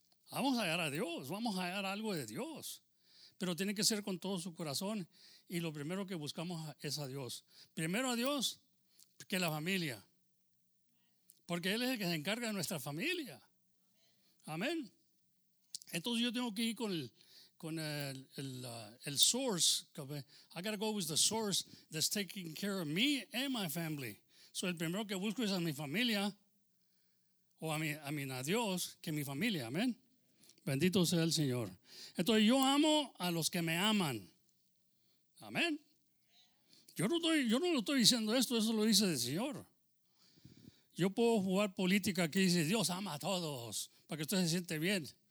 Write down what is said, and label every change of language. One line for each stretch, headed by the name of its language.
Spanish: Vamos a hallar a Dios, vamos a hallar algo de Dios. Pero tiene que ser con todo su corazón. Y lo primero que buscamos es a Dios. Primero a Dios que la familia. Porque Él es el que se encarga de nuestra familia. Amén. Entonces yo tengo que ir con el source.
English: I gotta go with the source that's taking care of me and my family.
Spanish: So el primero que busco es a mi familia. O a Dios que mi familia. Amén. Bendito sea el Señor. Entonces yo amo a los que me aman. Amén. Yo no lo estoy diciendo esto, eso lo dice el Señor. Yo puedo jugar política que dice Dios ama a todos para que usted se siente bien.